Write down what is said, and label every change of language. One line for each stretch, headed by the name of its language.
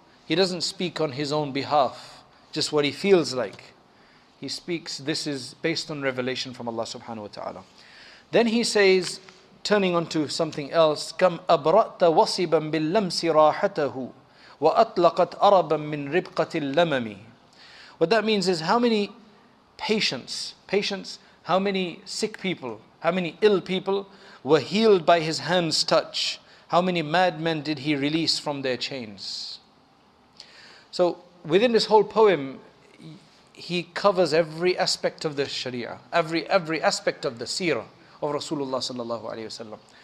English: He doesn't speak on his own behalf, just what he feels like. He speaks, this is based on revelation from Allah subhanahu wa ta'ala. Then he says, turning onto something else,
Arabic: كَمْ أَبْرَأْتَ وَصِبًا بِاللَّمْسِ رَاحَتَهُ وَأَطْلَقَتْ أَرَبًا مِّنْ رِبْقَةِ اللَّمَمِ.
English: What that means is, how many patients, how many sick people, how many ill people were healed by his hand's touch? How many madmen did he release from their chains? So within this whole poem, he covers every aspect of the Sharia, every aspect of the seerah of Rasulullah sallallahu alayhi wasallam.